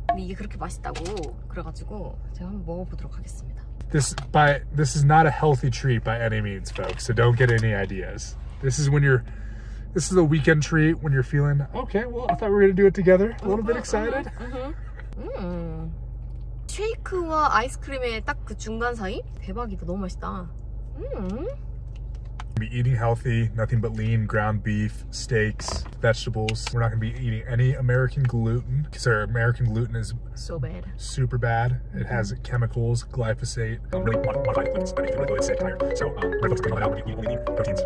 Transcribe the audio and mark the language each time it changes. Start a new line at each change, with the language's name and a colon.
Korean: 근데 이게 그렇게 맛있다고 그래가지고 제가 한번 먹어보도록 하겠습니다.
English: This is not a healthy treat by any means, folks. So don't get any ideas. This is a weekend treat when you're feeling okay. Well, I thought we were gonna do it together. A little bit excited.
Korean: Shake와 아이스크림의 딱 그 중간 사이? 대박이다. 너무 맛있다.
English: Be eating healthy, nothing but lean ground beef, steaks, vegetables. We're not gonna be eating any American gluten because our American gluten is so bad, super bad. It has chemicals, glyphosate. Really modified gluten, so really good, sick, tired. So we're gonna clean all that out. We only need proteins.